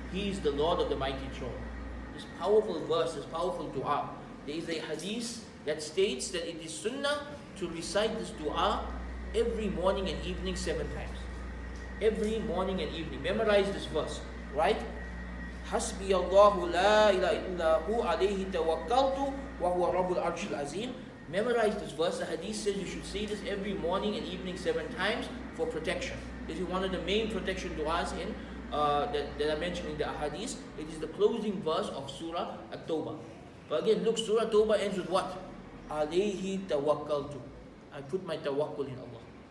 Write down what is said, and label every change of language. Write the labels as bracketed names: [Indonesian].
[English] He is the Lord of the Mighty Throne. This powerful verse, this powerful dua. There is a hadith that states that it is sunnah to recite this dua every morning and evening 7 times. Every morning and evening. Memorize this verse, right? [Arabic] حسبي الله لا إله إلا هو عليه توكلت وهو رب العرش العظيم. [English] Memorize this verse. The hadith says you should say this every morning and evening 7 times for protection. This is one of the main protection du'as in that are mentioned in the hadith. It is the closing verse of Surah At-Tawbah. But again, look, Surah At-Tawbah ends with what? Alayhi tawakkaltu. I put my tawakkul in Allah.